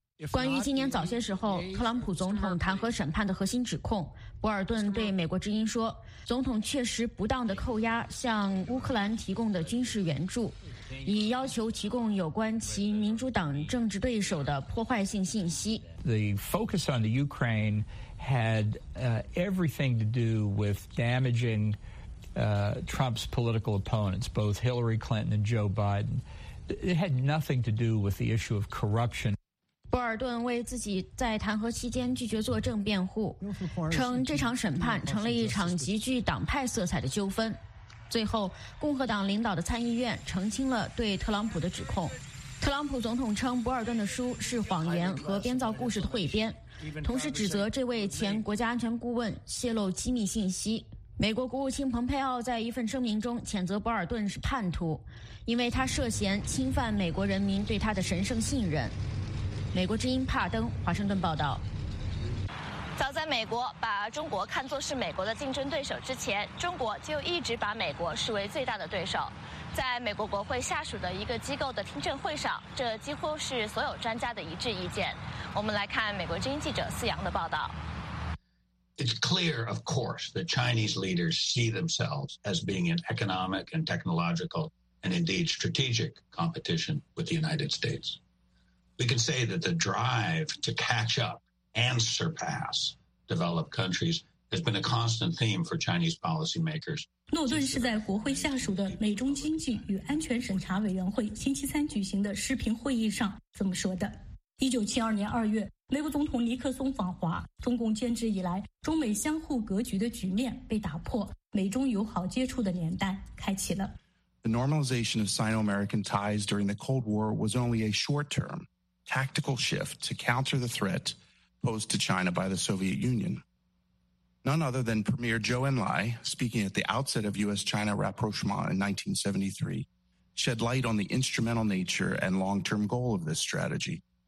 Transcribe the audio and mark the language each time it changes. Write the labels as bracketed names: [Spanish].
[Chinese] 关于今年早些时候特朗普总统弹劾审判的核心指控，博尔顿对美国之音说，总统确实不当的扣押向乌克兰提供的军事援助，以要求提供有关其民主党政治对手的破坏性信息。 [English] The focus on the Ukraine had everything to do with damaging Trump's political opponents, both Hillary Clinton and Joe Biden. It had nothing to do with the issue of corruption. [Chinese] 博尔顿为自己在弹劾期间拒绝作证辩护，称这场审判成了一场极具党派色彩的纠纷。最后，共和党领导的参议院澄清了对特朗普的指控。特朗普总统称博尔顿的书是谎言和编造故事的汇编，同时指责这位前国家安全顾问泄露机密信息。美国国务卿蓬佩奥在一份声明中谴责博尔顿是叛徒，因为他涉嫌侵犯美国人民对他的神圣信任。美国之音帕登华盛顿报道。早在美国把中国看作是美国的竞争对手之前，中国就一直把美国视为最大的对手。在美国国会下属的一个机构的听证会上，这几乎是所有专家的一致意见。我们来看美国之音记者思阳的报道。 [English] It's clear, of course, that Chinese leaders see themselves as being an economic and technological and indeed strategic competition with the United States. We can say that the drive to catch up and surpass developed countries has been a constant theme for Chinese policymakers. [Chinese] 诺顿是在国会下属的美中经济与安全审查委员会星期三举行的视频会议上这么说的。 1972年2月，美国总统尼克松访华，中共建制以来，中美相互格局的局面被打破，美中友好接触的年代开启了。 [English] The normalization of Sino-American ties during the Cold War was only a short-term tactical shift to counter the threat posed to China by the Soviet Union. None other than Premier Zhou Enlai, speaking at the outset of U.S.-China rapprochement in 1973, shed light on the instrumental nature and long-term goal of this strategy.